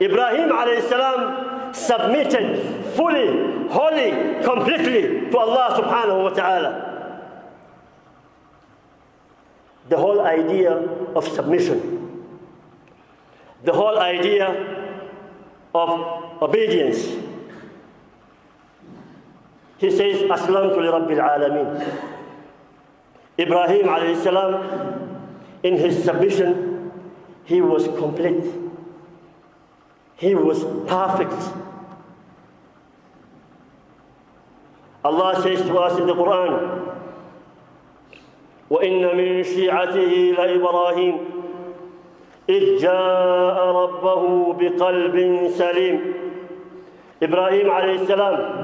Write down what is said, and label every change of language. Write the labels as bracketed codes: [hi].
[en] Ibrahim alayhi salam submitted fully, wholly, completely to Allah subhanahu wa ta'ala. The whole idea of submission, the whole idea of obedience. He says, [ar] أَسْلَمْتُ لِرَبِّ الْعَالَمِينَ. [en] Ibrahim alayhi salam, in his submission, he was complete. He was perfect. Allah says to us in the Quran, [ar] وَإِنَّ مِنْ شِيعَتِهِ لَإِبْرَاهِيمِ إِذْ جَاءَ رَبَّهُ بِقَلْبٍ سَلِيمٍ. Ibrahim alayhi salam,